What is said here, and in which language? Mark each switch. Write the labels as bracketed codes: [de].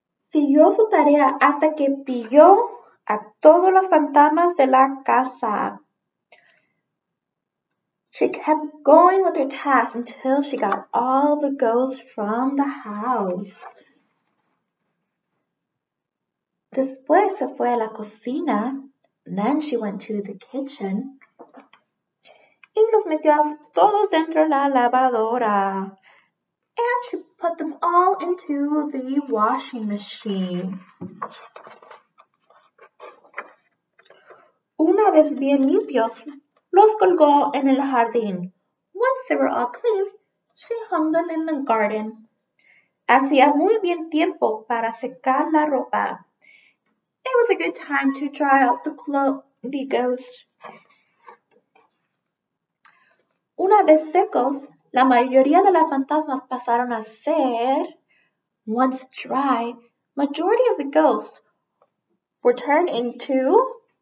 [es] Siguió su tarea hasta que pilló a todos los fantasmas de la casa. [en] She kept going with her task until she got all the ghosts from the house. [es] Después se fue a la cocina. [en] Then she went to the kitchen. [es] Y los metió todos dentro de la lavadora. [en] And she put them all into the washing machine. [es] Una vez bien limpios, los colgó en el jardín. [en] Once they were all clean, she hung them in the garden. [es] Hacía muy bien tiempo para secar la ropa. [en] It was a good time to dry out the clothes, the ghost. [es] Una vez secos, la mayoría de las fantasmas pasaron a ser... [en] Once dry, majority of the ghosts were turned into...